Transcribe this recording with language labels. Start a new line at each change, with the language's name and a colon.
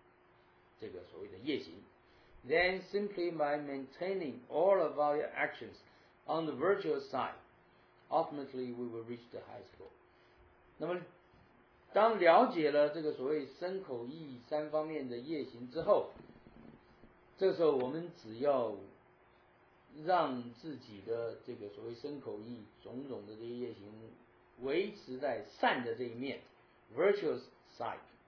Chinese: 我们只要了解或者只要认知身口意这三方面的这个所谓的业行。
English: Then simply by maintaining all of our actions on the virtuous side, ultimately we will reach the highest goal.
Chinese: 那么当了解了这个所谓身口意三方面的业行之后， 这时候我们只要让自己的这个所谓身口意种种的这些业行维持在善的这一面，virtuous side，